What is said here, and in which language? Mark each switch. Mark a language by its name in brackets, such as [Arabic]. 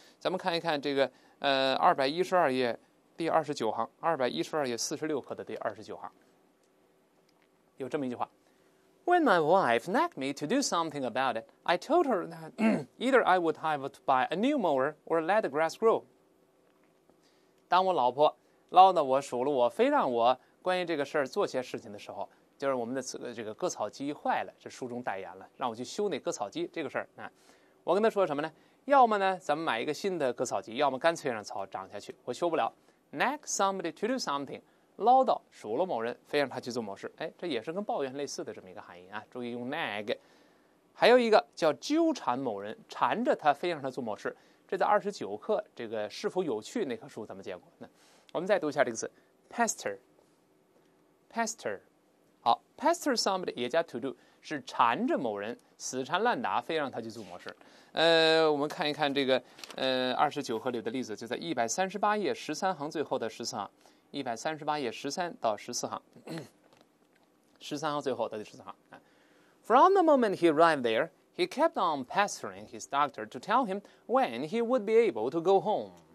[Chinese] 咱们看一看这个，212页第29行，212页46课的第29行，有这么一句话 [English] ：When my wife nagged me to do something about it, I told her that either I would have to buy a new mower or let the grass grow。 [Chinese] 当我老婆唠叨我、数落我、非让我关于这个事儿做些事情的时候。就是我们的这个割草机坏了，这书中代言了，让我去修那割草机这个事儿啊。我跟他说什么呢？要么呢，咱们买一个新的割草机，要么干脆让草长下去。我修不了 ，nag somebody to do something， 唠叨数落某人，非让他去做某事。哎，这也是跟抱怨类似的这么一个含义啊。注意用 nag。还有一个叫纠缠某人，缠着他，非让他做某事。这在29课这个是否有趣那棵树咱们见过。那我们再读一下这个词 ，pester。好 ，pester somebody 也加 to do， 是缠着某人，死缠烂打，非让他去做某事。我们看一看这个，29课里的例子，就在138页13行最后的14行，138页13到14行，13行最后的14行。 [English] From the moment he arrived there, he kept on pestering his doctor to tell him when he would be able to go home.